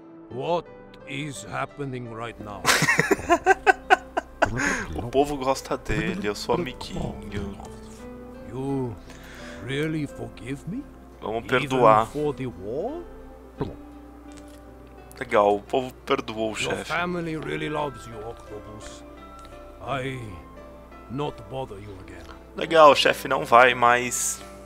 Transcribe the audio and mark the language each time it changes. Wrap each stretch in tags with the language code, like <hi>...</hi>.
<en>What is happening right now?</en> <pt>O povo gosta dele, eu sou amiguinho.</pt> <en>You really forgive me?</en> <pt>Vamos perdoar.</pt> <en>Even for the war?</en> <pt>Legal, o povo perdoou o chefe.</pt> <en>Your family really loves you, Octopus. I not bother you again.</en> <pt>Legal, o chefe não vai mais</pt>